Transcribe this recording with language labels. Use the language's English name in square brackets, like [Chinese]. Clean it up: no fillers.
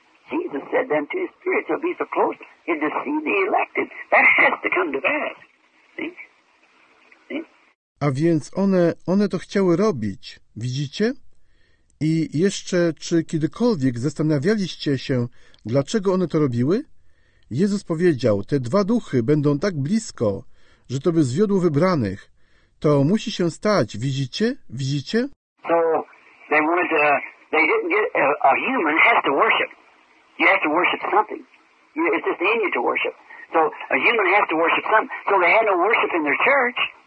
[English] Jesus said them two spirits will be so close in deceiving the elected. That has to come to that, see? [Polish] A więc one to chciały robić, widzicie? I jeszcze, czy kiedykolwiek zastanawialiście się, dlaczego one to robiły? Jezus powiedział, te dwa duchy będą tak blisko, że to by zwiodło wybranych. To musi się stać, widzicie? Widzicie? [English] So they wanted to, they didn't get, a human has to worship. You have to worship something. It's just in you to worship. So a human has to worship something. So they had no worship in their church.